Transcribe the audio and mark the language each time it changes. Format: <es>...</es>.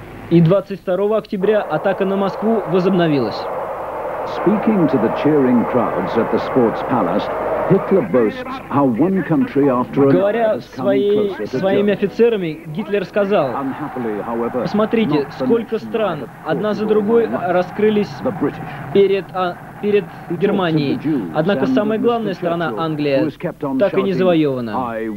<ru>И 22 октября атака на Москву возобновилась.</ru> <en>Speaking to the cheering crowds at the sports palace, Hitler boasts how one country after another.</en> <ru>Говоря своими офицерами, Гитлер сказал: «Посмотрите, сколько стран одна за другой раскрылись перед Германией. Однако самая главная страна Англия так и не завоевана».</ru>